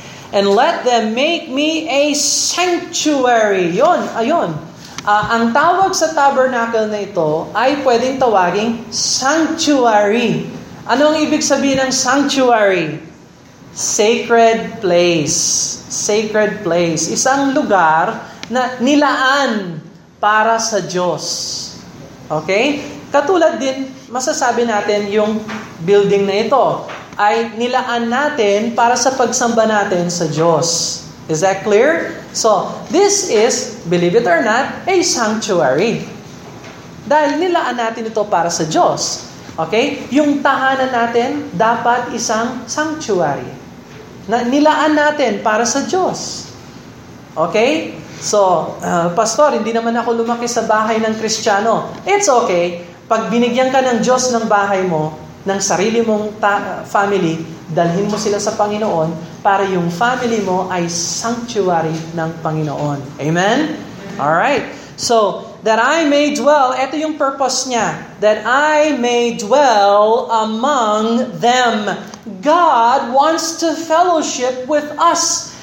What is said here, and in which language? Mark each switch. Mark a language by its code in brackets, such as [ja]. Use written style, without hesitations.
[en] And let them make me a sanctuary. [tl] Yun, ayun. Ang tawag sa tabernacle na ito ay pwedeng tawagin sanctuary. Ano ang ibig sabihin ng sanctuary? [en] Sacred place. Sacred place. [tl] Isang lugar na nilaan para sa Diyos. Okay? Katulad din, masasabi natin yung building na ito ay nilaan natin para sa pagsamba natin sa Diyos. Is that clear? [en] So, this is, believe it or not, a sanctuary. [tl] Dahil nilaan natin ito para sa Diyos. Okay? Yung tahanan natin dapat isang sanctuary. Na nilaan natin para sa Diyos. Okay? So, Pastor, hindi naman ako lumaki sa bahay ng Kristiyano. It's okay. Pag binigyan ka ng Diyos ng bahay mo, ng sarili mong family, dalhin mo sila sa Panginoon para yung family mo ay sanctuary ng Panginoon. [en] Amen? All right. So, that I may dwell, ito yung purpose niya, that I may dwell among them. God wants to fellowship with us.